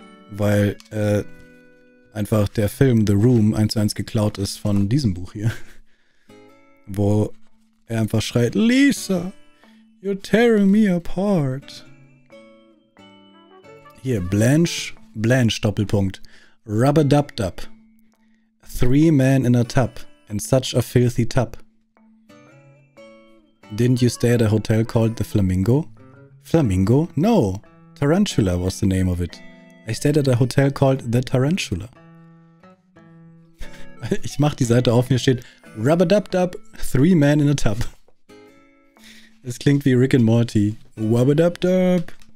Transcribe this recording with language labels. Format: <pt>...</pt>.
<de>Weil einfach der Film The Room 1:1 geklaut ist von diesem Buch hier. Wo er einfach schreit,</de> <en>Lisa, you're tearing me apart.</en> <de>Hier, Blanche, Doppelpunkt.</de> <en>Rub-a-dub-dub. Three men in a tub, in such a filthy tub. Didn't you stay at a hotel called the Flamingo? Flamingo? No. Tarantula was the name of it. I stayed at a hotel called the Tarantula.</en> <de>Ich mach die Seite auf, mir steht</de> <en>Rub-a-dub-dub, three men in a tub.</en> <de>Es klingt wie Rick and Morty. Rub-a-dub-dub.</de>